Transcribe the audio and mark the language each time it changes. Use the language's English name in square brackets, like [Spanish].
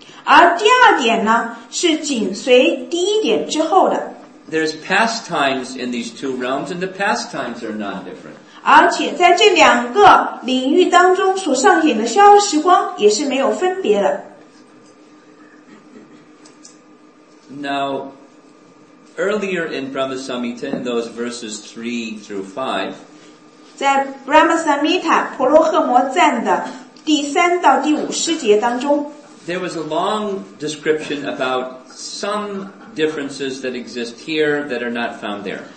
[Chinese] 而第二点呢，是紧随第一点之后的。 [English] There's pastimes in these two realms, and the pastimes are non-different. [Chinese] 而且在这两个领域当中所上演的逍遥时光也是没有分别的。 [English] Now, earlier in Brahma Samhita, in those verses 3 through 5, [Chinese] 在 Brahma Samhita, 婆罗诃摩赞的第三到第五诗节当中 [English] there was a long description about some differences that exist here that are not found there.